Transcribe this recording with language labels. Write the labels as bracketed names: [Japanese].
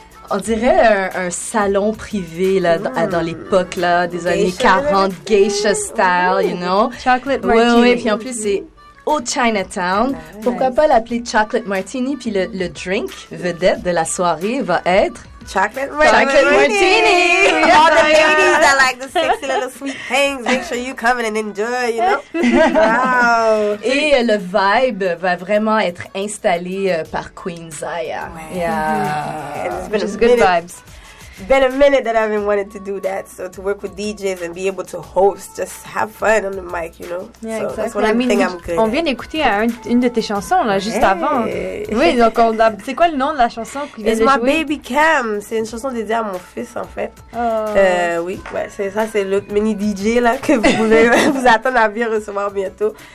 [French] on dirait un salon privé là, dans l'époque là, des années 40, [English] geisha style, you know? Chocolate martini. [French] Oui, oui. Puis en plus, c'est... au Chinatown. [English] Nice. [French] Pourquoi pas l'appeler Chocolate Martini, puis le drink vedette de la soirée va être [English] Chocolate Martini. All the ladies that like the sexy little sweet things, make sure you come in and enjoy, you know? Wow! [French] Et le vibe va vraiment être installé par Queen Zaya. Ouais. [English] Yeah. It's been just good vibes. been a minute that I've been wanting to do that. So to work with DJs and be able to host, just have fun on the mic, you know. Yeah, so exactly. That's what I think I'm good at. [French] On vient d'écouter une de tes chansons, là, juste hey. Avant. Oui, donc on a, c'est quoi le nom de la chanson qui vient [English] It's [French] de [English] my [French] jouer? [English] Baby Cam. [French] C'est une chanson dédiée à mon fils, en fait. Oh. Oui, ouais, c'est ça, c'est le mini DJ là, que vous pouvez vous attendre à bien recevoir bientôt.